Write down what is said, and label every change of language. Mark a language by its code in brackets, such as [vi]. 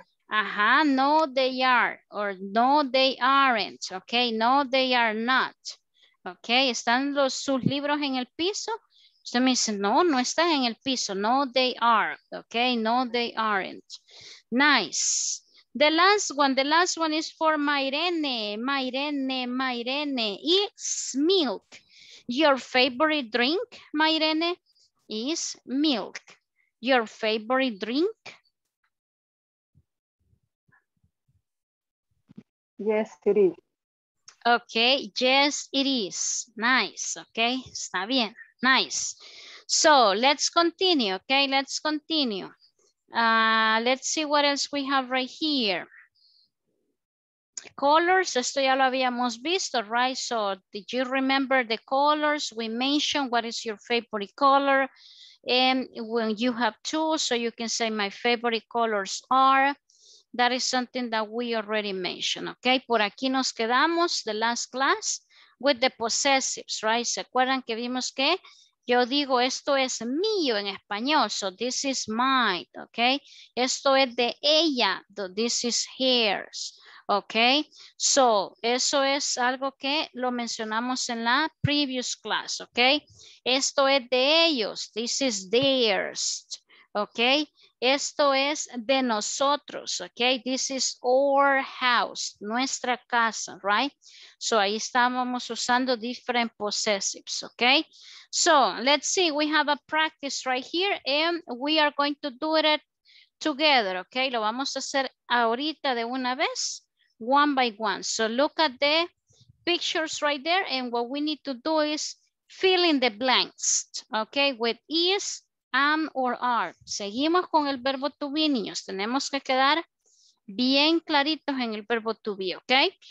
[en] Ajá, no, they are, or no, they aren't, okay, no, they are not. [es] Okay, están los, sus libros en el piso. Usted me dice, no, no están en el piso, [en] no, they are, okay, no, they aren't. Nice. The last one is for Mairene, Mairene, Mairene. It's milk. Your favorite drink, Mairene, is milk. Your favorite drink? Yes, it is. Okay, yes, it is. Nice, okay, [es] está bien, [en] nice. So, let's continue, okay, let's continue. Let's see what else we have right here. Colors, [es] esto ya lo habíamos visto, [en] right? So, did you remember the colors? We mentioned what is your favorite color. And when you have two, so you can say my favorite colors are. That is something that we already mentioned, okay? [es] Por aquí nos quedamos, [en] the last class, with the possessives, right? [es] ¿Se acuerdan que vimos que yo digo esto es mío en español? [en] So this is mine, okay? [es] Esto es de ella, [en] this is hers, okay? [es] So eso es algo que lo mencionamos en la [en] previous class, okay? [es] Esto es de ellos, [en] this is theirs, okay? [es] Esto es de nosotros, [en] okay? This is our house, [es] nuestra casa, [en] right? So [es] ahí estábamos usando [en] different possessives, okay? So let's see, we have a practice right here and we are going to do it together, okay? [es] Lo vamos a hacer ahorita de una vez, [en] one by one. So look at the pictures right there and what we need to do is fill in the blanks, okay? With is, am or are. [es] Seguimos con el verbo [en] to be, niños. [es] Tenemos que quedar bien claritos en el verbo to be, ¿ok?